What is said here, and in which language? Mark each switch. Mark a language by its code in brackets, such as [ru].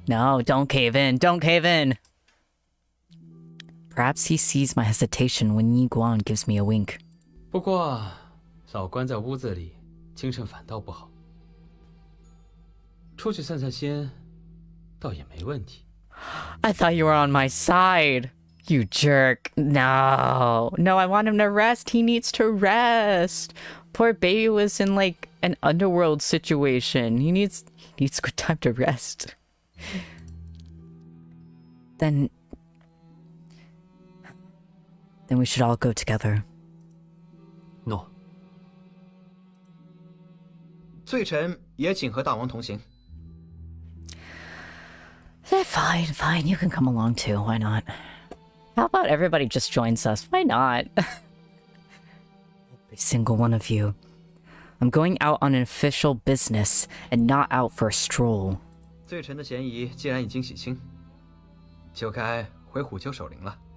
[en] No, don't cave in! Don't cave in! Perhaps he sees my hesitation when Yi Guan gives me a wink. [zh] 不过，老关在屋子里，精神反倒不好。出去散散心，倒也没问题。 [en] I thought you were on my side, you jerk! No! No, I want him to rest! He needs to rest! Poor baby was in, like, an underworld situation. He needs good time to rest. Then we should all go together. No. [zh] 罪臣也请和大王同行。 [en] Fine, fine. You can come along too. Why not? How about everybody just joins us? Why not? Every single one of you. I'm going out on an official business, and not out for a stroll. [zh] 罪臣的嫌疑既然已经洗清，就该回虎丘守灵了。